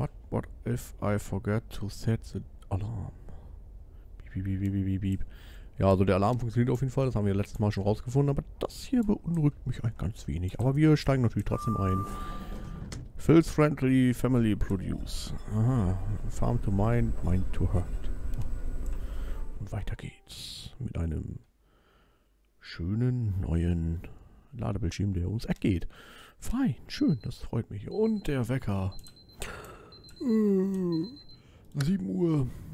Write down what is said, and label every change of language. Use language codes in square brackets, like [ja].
[en] What if I forget to set the alarm? Beep, beep, beep, beep, beep, beep. [de] Ja, also der Alarm funktioniert auf jeden Fall, das haben wir letztes Mal schon rausgefunden, aber das hier beunruhigt mich ein ganz wenig. Aber wir steigen natürlich trotzdem ein. [en] Phil's friendly family produce. Aha, farm to mine, mine to herd. [de] Und weiter geht's mit einem schönen neuen Ladebildschirm, der ums Eck geht. Fein, schön, das freut mich. Und der Wecker. 7 Uhr.